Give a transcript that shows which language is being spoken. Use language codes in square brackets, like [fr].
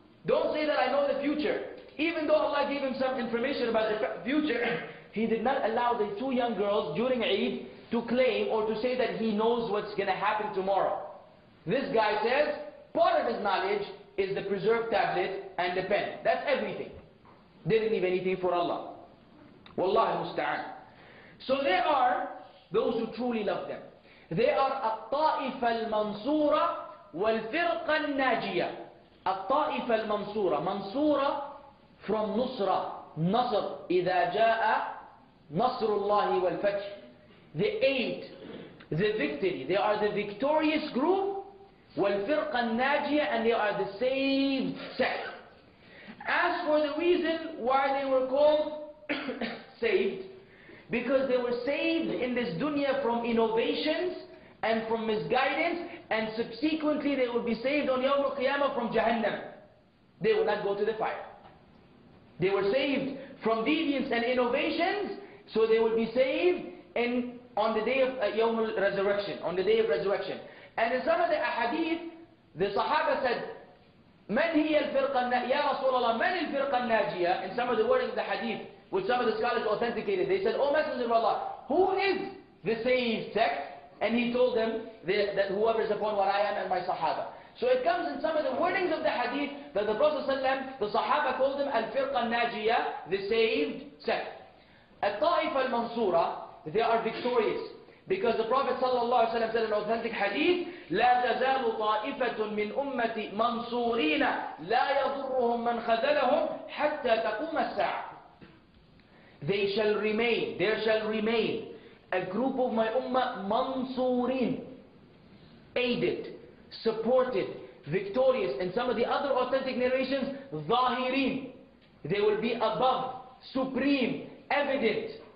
[en] Don't say that I know the future. Even though Allah gave him some information about the future, he did not allow the two young girls during Eid to claim or to say that he knows what's going to happen tomorrow. This guy says, part of his knowledge is the preserved tablet and the pen. That's everything. Didn't leave anything for Allah. Wallahi musta'an. So there are those who truly love them. They are [ar] الطائفة المنصورة والفرقة الناجية. الطائفة المنصورة. منصورة [en] from [ar] نصرة. نصر إذا جاء نصر الله والفتح. [en] The aid, the victory. They are the victorious group. [ar] والفرقة الناجية, [en] and they are the saved sect. As for the reason why they were called saved, because they were saved in this dunya from innovations and from misguidance, and subsequently they would be saved on Yawm al-Qiyamah from Jahannam. They would not go to the fire. They were saved from deviance and innovations, so they would be saved in, on the day of Yawm al-Resurrection, on the day of resurrection. And in some of the ahadith, the Sahaba said, [ar] "Man hiya al-firqa ya Rasulullah, man al-firqa najiya?" [en] In some of the wording of the hadith, which some of the scholars authenticated, they said, O Messenger of Allah, who is the saved sect? And he told them that whoever is upon what I am and my sahaba. So it comes in some of the wordings of the hadith that the Prophet ﷺ, the sahaba called them al-firqa al-najiya, the saved sect. Al-ta'if al-mansura, they are victorious. Because the Prophet ﷺ said in an authentic hadith, [ar] لا تزال طائفة من أمتي منصورين لا يضرهم من خذلهم حتى تقوم الساعة. [en] They shall remain, there shall remain a group of my ummah, mansurin, aided, supported, victorious. In some of the other authentic narrations, zahirin, they will be above, supreme, evident.